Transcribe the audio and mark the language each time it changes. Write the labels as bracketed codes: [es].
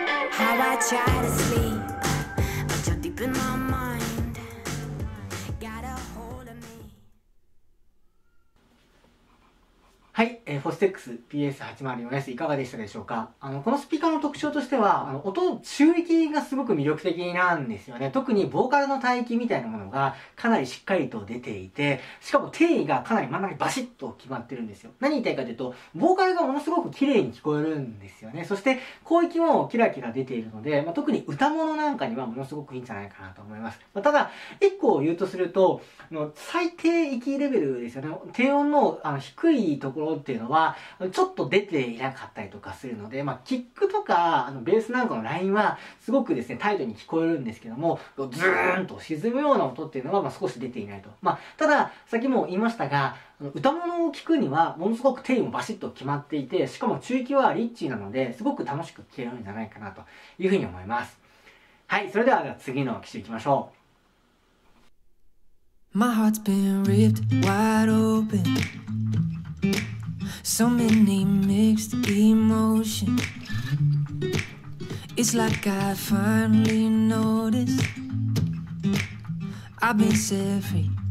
[en] Try to sleep, but you're deep in my mind. Gotta hold. [ja] はい、フォステックス PS804S いかがでしたでしょうか。このスピーカーの特徴としては、音の中域がすごく魅力的なんですよね。特にボーカルの帯域みたいなものがかなりしっかりと出ていて、しかも定位がかなり真ん中にバシッと決まってるんですよ。何言いたいかというと、ボーカルがものすごく綺麗に聞こえるんですよね。そして、高域もキラキラ出ているので、特に歌物なんかにはものすごくいいんじゃないかなと思います。ただ、一個を言うとすると、最低域レベルですよね。低音の、低いところっていうのはちょっと出ていなかったりとかするので、キックとかベースなんかのラインはすごくですねタイトに聞こえるんですけども、ズーンと沈むような音っていうのは少し出ていないと。ただ先も言いましたが、歌物を聞くにはものすごく定位もバシッと決まっていて、しかも中域はリッチなのですごく楽しく聴けるんじゃないかなというふうに思います。はい、それでは次の機種いきましょう。 [en] My heart's been ripped wide openSo many mixed emotions. It's like I finally noticed. I've been set free.